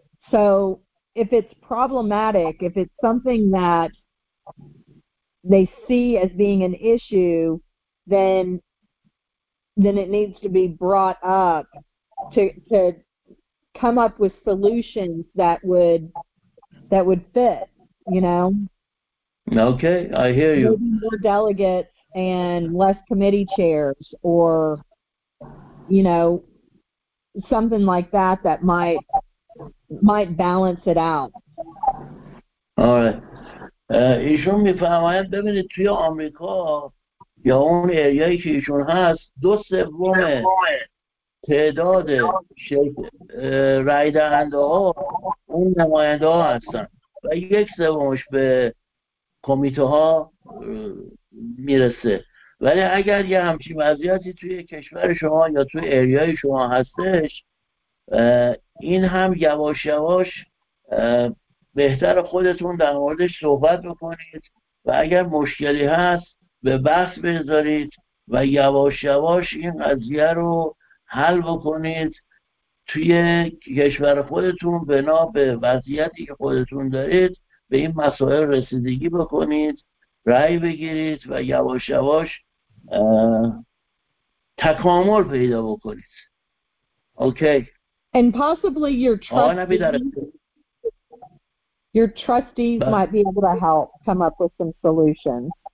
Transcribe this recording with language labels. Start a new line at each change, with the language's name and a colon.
English: So if it's problematic, if it's something that they see as being an issue, then it needs to be brought up to come up with solutions that would fit, you know? Okay, I hear you. Maybe more delegates and less committee chairs, or, you know, something like that that might balance it out. All right.
Persian: ایشون میفهمند ببینید توی آمریکا یا اون ایریایی که ایشون هست دو سوم تعداد رای دهنده ها اون نماینده ها هستن و یک سومش به کمیته ها میرسه. ولی اگر یه همچین وضعیتی توی کشور شما یا توی ایریای شما هستش، این هم یواش یواش بهتر خودتون در موردش صحبت بکنید و اگر مشکلی هست به بحث بذارید و یواش یواش این قضیه رو حل بکنید توی کشور خودتون بنا به وضعیتی که خودتون دارید به این مسائل رسیدگی بکنید، رأی بگیرید و یواش یواش تکامل پیدا بکنید.
English: Okay. And possibly your trustees might be able to help come up with some solutions.